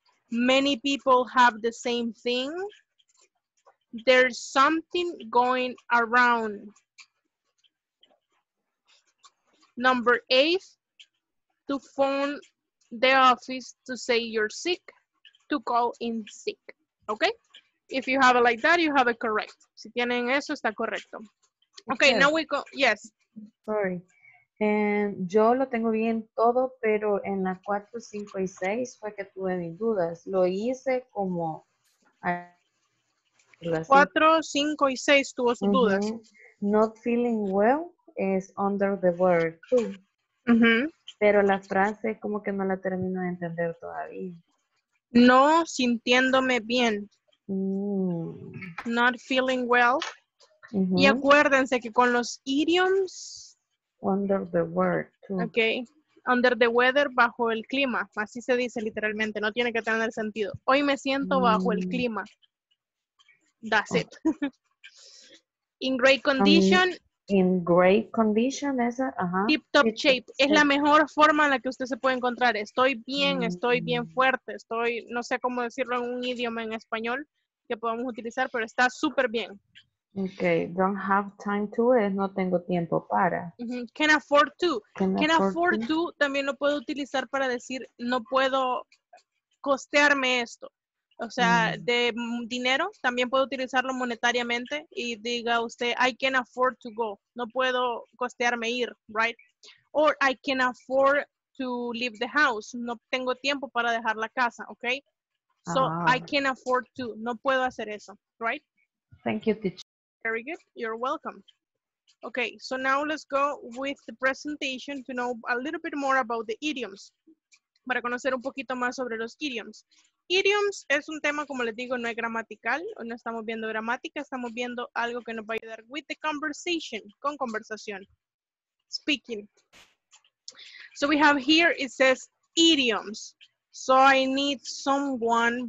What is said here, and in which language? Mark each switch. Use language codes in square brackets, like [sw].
[en] Many people have the same thing. There's something going around. Number 8, to phone the office to say you're sick, to call in sick. Okay? If you have it like that, you have it correct. [es] Si tienen eso, está correcto. [en] Okay, yes. Now we go. Yes. Sorry. [es] Yo lo tengo bien todo, pero en la 4, 5 y 6 fue que tuve mis dudas. Lo hice como... 4, 5 y 6 tuvo sus dudas. [en] Not feeling well is under the word too. [es] Pero la frase como que no la termino de entender todavía. No sintiéndome bien. [en] Not feeling well. [es] Y acuérdense que con los idioms... [en] Under the weather, too. [es] Okay. [en] Under the weather, [es] bajo el clima. Así se dice literalmente. No tiene que tener sentido. Hoy me siento bajo el clima. [en] That's it. In great condition. In great condition, esa. Tip top shape. [es] Es la mejor forma en la que usted se puede encontrar. Estoy bien, estoy bien fuerte. Estoy, no sé cómo decirlo en un idioma en español que podamos utilizar, pero está súper bien. Okay, [en] don't have time to, [es] es no tengo tiempo para. [en] Can afford to. Can afford to [es] también lo puedo utilizar para decir no puedo costearme esto. O sea, de dinero, también puedo utilizarlo monetariamente y diga usted, [en] I can afford to go. [es] No puedo costearme ir, right? [en] Or I can afford to leave the house. [es] No tengo tiempo para dejar la casa, okay? [en] So I can afford to, [es] no puedo hacer eso, right? [en] Thank you, teacher. Very good. You're welcome. Okay, so now let's go with the presentation to know a little bit more about the idioms. [es] Para conocer un poquito más sobre los idioms. Idioms es un tema, como les digo, no es gramatical. No estamos viendo gramática, estamos viendo algo que nos va a ayudar [en] with the conversation, [es] con conversación. Speaking. [en] So we have here, it says idioms. So I need someone.